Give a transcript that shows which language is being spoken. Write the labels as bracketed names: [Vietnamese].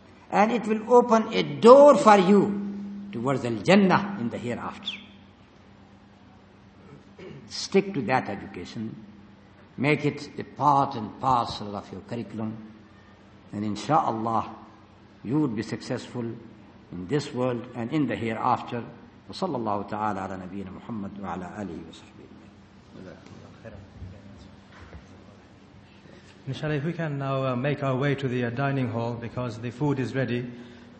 [English] And it will open a door for you towards Al-Jannah in the hereafter. Stick to that education. Make it a part and parcel of your curriculum. And inshaAllah, you would be successful in this world and in the hereafter. [Arabic] وصلى الله تعالى على نبينا محمد وعلى آله وصحبه أجمعين. [English] Inshallah, if we can now make our way to the dining hall because the food is ready.